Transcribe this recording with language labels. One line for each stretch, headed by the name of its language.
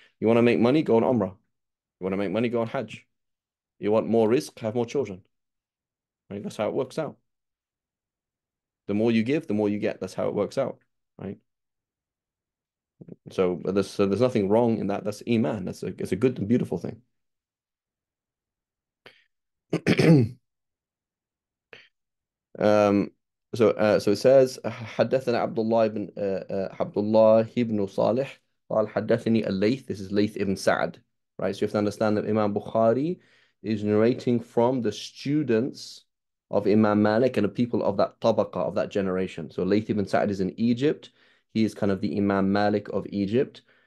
English: You want to make money? Go on Umrah. You want to make money? Go on Hajj. You want more risk? Have more children. Right? That's how it works out. The more you give, the more you get. That's how it works out, right? So there's nothing wrong in that. That's iman. It's a good and beautiful thing. So it says,
Arabic: حدثنا عبد الله ابن صالح قال حدثني الليث.
English: This is Layth ibn Sa'ad, right? So you have to understand that Imam Bukhari is narrating from the students of Imam Malik and the people of that tabaqa, of that generation. So Layth ibn Sa'ad is in Egypt. He is kind of the Imam Malik of Egypt.